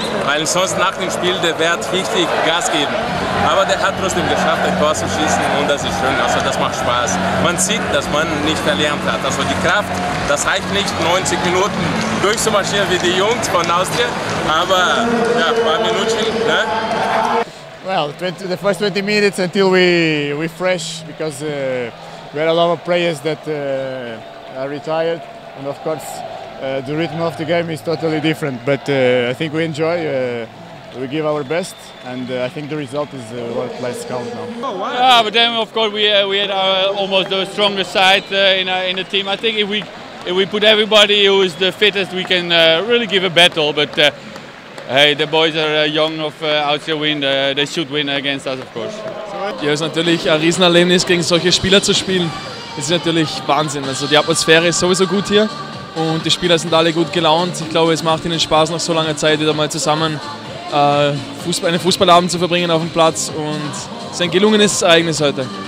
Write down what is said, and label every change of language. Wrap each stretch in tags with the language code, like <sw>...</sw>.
<de>Weil sonst nach dem Spiel, der wird richtig Gas geben. Aber der hat trotzdem geschafft, ein Tor zu schießen und das ist schön, also das macht Spaß. Man sieht, dass man nicht verlernt hat. Also die Kraft, das reicht nicht, 90 Minuten durchzumarschieren wie die Jungs von Austria, aber ja, ein paar Minuten, ne?</de> <en>Well, the first 20 minutes until we fresh, because we had a lot of players that are retired, and of course the rhythm of the game is totally different. But I think we enjoy, we give our best, and I think the result is what let's count now. Yeah, but then of course we had our almost the strongest side in the team. I think if we put everybody who is the fittest, we can really give a battle. But hey, the boys are young of Austria Wind, they should win against us, of course.</en> <de>Ja, es ist natürlich ein Riesenerlebnis, gegen solche Spieler zu spielen. Das ist natürlich Wahnsinn. Also die Atmosphäre ist sowieso gut hier und die Spieler sind alle gut gelaunt. Ich glaube, es macht ihnen Spaß, nach so langer Zeit wieder mal zusammen einen Fußballabend zu verbringen auf dem Platz. Und es ist ein gelungenes Ereignis heute.</de>